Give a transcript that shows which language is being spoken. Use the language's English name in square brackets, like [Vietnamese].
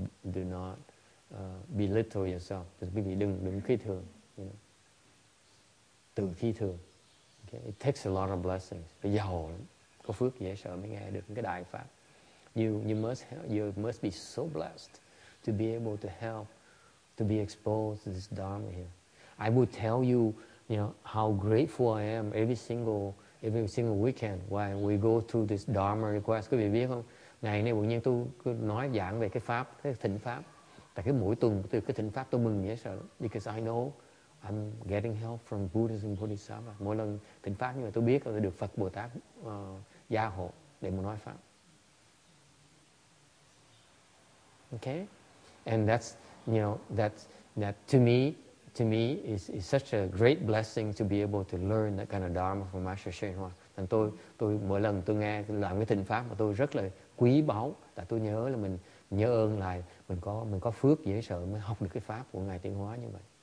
[English] Do not belittle yourself. Just [Vietnamese] quý vị đừng khi thường. [English] You know. [Vietnamese] Từ khi thường. [English] Okay. It takes a lot of blessings. [Vietnamese] Phải giàu lắm. Có phước dễ sợ mới nghe được cái đại pháp. [English] You must be so blessed to be able to help, to be exposed to this Dharma here. I will tell you, you know, how grateful I am every single weekend when we go to this Dharma request. [Vietnamese] Quý vị biết không? Ngày nay bỗng nhiên tôi cứ nói giảng về cái pháp, cái thịnh pháp. Tại cái mỗi tuần từ cái thịnh pháp tôi mừng dễ sợ. [English] Because I know I'm getting help from Buddhism and Bodhisattva. [Vietnamese] Mỗi lần thịnh pháp nhưng mà tôi biết là được Phật Bồ Tát gia hộ để mà nói pháp. [English] Okay? And that's, you know, that to me is such a great blessing to be able to learn that kind of Dharma from Master Shen Hoa. [Vietnamese] And tôi mỗi lần tôi nghe làm cái thịnh pháp mà tôi rất là quý báu. Tại tôi nhớ là mình nhớ ơn lại mình có phước dễ sợ mới học được cái pháp của Ngài Tiến Hóa như vậy.